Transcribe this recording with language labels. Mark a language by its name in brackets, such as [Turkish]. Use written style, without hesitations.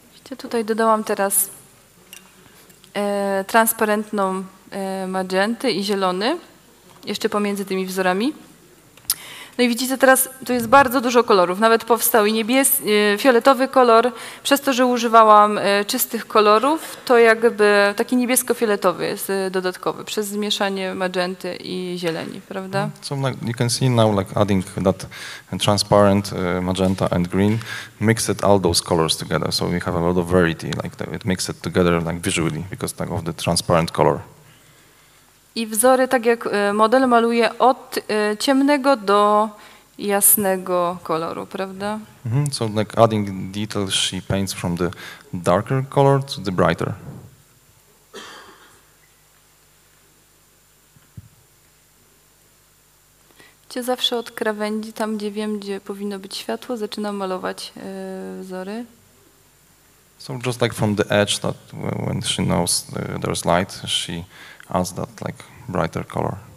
[Polish] Ja tutaj dodałam teraz transparentną magentę i zielony, jeszcze pomiędzy tymi wzorami. No i widzicie teraz, tu jest bardzo dużo kolorów. Nawet powstał i fioletowy kolor. Przez to, że używałam czystych kolorów, to jakby taki niebiesko-fioletowy jest dodatkowy przez zmieszanie magenty i zieleni, prawda? [English] So you can see now like adding that transparent magenta and green mixed all those colors together. So we have a lot of variety, like that it mixed together like visually because like, of the transparent color. [Polish] I wzory, tak jak model maluje, od ciemnego do jasnego koloru, prawda? Mm-hmm. [English] So like adding details, she paints from the darker color to the brighter. [Polish] Czy zawsze od krawędzi, tam gdzie wiem, gdzie powinno być światło, zaczynam malować wzory? [English] So just like from the edge, that when she knows there's light, she adds that like brighter color.